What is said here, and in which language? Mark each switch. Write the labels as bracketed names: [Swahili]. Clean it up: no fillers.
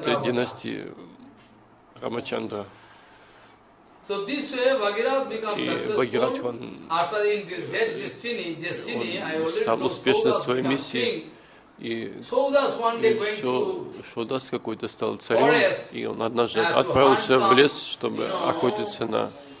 [Russian] И в этой династии Рамачандра. [English] So this way, Bhagirath becomes successful. After in this destiny, I already know Saudas can [Russian] своей миссии. И [English] Saudas one day going to [Russian] Saudas какой-то стал царем, и он однажды отправился в лес, чтобы охотиться на